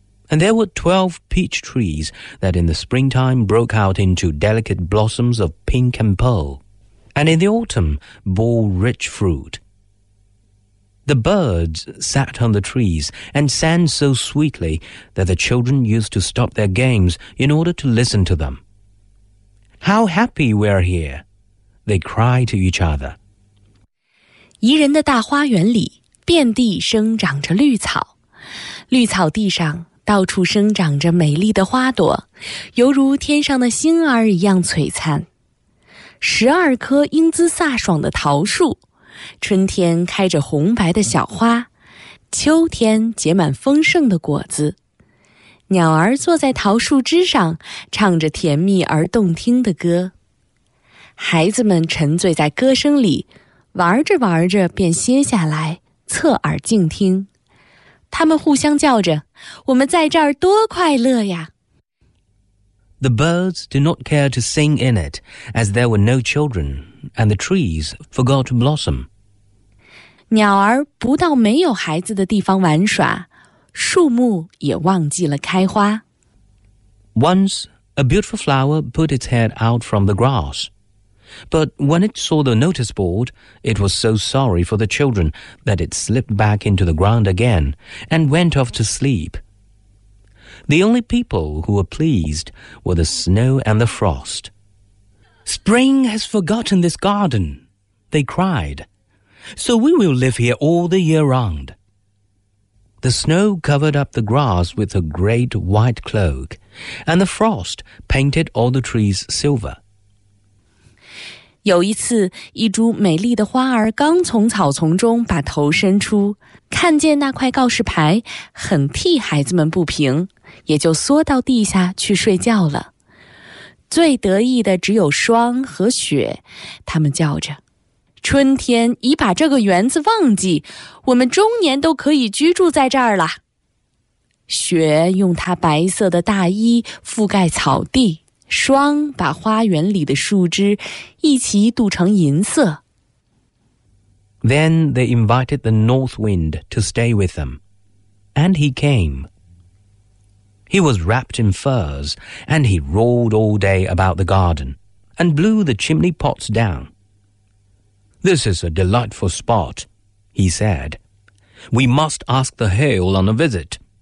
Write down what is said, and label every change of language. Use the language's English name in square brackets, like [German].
[English] And there were 12 peach trees that in the springtime broke out into delicate blossoms of pink and pearl, and in the autumn bore rich fruit. The birds sat on the trees and sang so sweetly that the children used to stop their games in order to listen to them. How happy we are here, they cry to each other. [Chinese] 宜人的大花园里遍地生长着绿草，绿草地上到处生长着美丽的花朵，犹如天上的星儿一样璀璨。十二棵英姿飒爽的桃树，春天开着红白的小花，秋天结满丰盛的果子。鸟儿坐在桃树枝上，唱着甜蜜而动听的歌。孩子们沉醉在歌声里，玩着玩着便歇下来，侧耳静听。他们互相叫着，我们在这儿多快乐呀。 [English] The birds did not care to sing in it, as there were no children, and the trees forgot to blossom. [Chinese] 鸟儿不到没有孩子的地方玩耍，树木也忘记了开花。 [English] Once, a beautiful flower put its head out from the grass. But when it saw the notice board, it was so sorry for the children that it slipped back into the ground again and went off to sleep. The only people who were pleased were the snow and the frost. Spring has forgotten this garden, they cried. So we will live here all the year round. The snow covered up the grass with a great white cloak, and the frost painted all the trees silver. [Chinese] 有一次，一株美丽的花儿刚从草丛中把头伸出，看见那块告示牌，很替孩子们不平，也就缩到地下去睡觉了。最得意的只有霜和雪，他们叫着，春天已把这个园子忘记，我们终年都可以居住在这儿了。雪用它白色的大衣覆盖草地，霜把花园里的树枝一起镀成银色。 [English] Then they invited the north wind to stay with them, and he came. He was wrapped in furs, and he roared all day about the garden, and blew the chimney pots down. This is a delightful spot, he said. We must ask the hail on a visit.